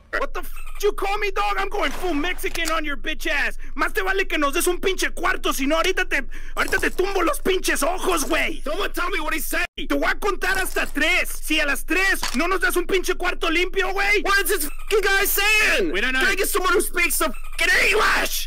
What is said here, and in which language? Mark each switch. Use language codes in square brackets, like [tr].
[en] What the f*** did you call me, dog? I'm going full Mexican on your bitch ass. [es] Más te vale que nos des un pinche cuarto, si no ahorita te tumbo los pinches ojos, güey. [en] Someone tell me what he said. [es] Te voy a contar hasta tres. Si a las tres no nos das un pinche cuarto limpio, güey. [en] What is this f***ing guy saying? We don't know. Can I get someone who speaks the f***ing English?